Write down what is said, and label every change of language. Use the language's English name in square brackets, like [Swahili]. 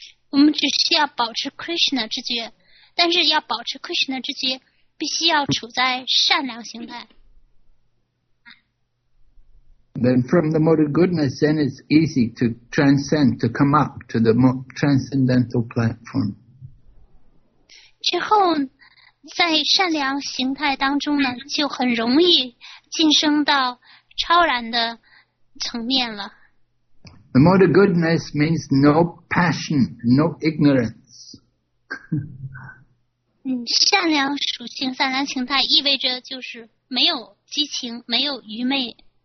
[English] We just [Chinese] 要保持 Krishna 之觉，但是要保持 Krishna 之觉，必须要处在善良心态。 [English] Then from the mode of goodness, then it's easy to transcend, to come up to the transcendental platform. [Chinese] 之后在善良形态当中呢，就很容易晋升到超然的层面了。 [English] The mode of goodness means no passion, no ignorance. [Chinese] 善良属性、善良形态意味着就是没有激情、没有愚昧。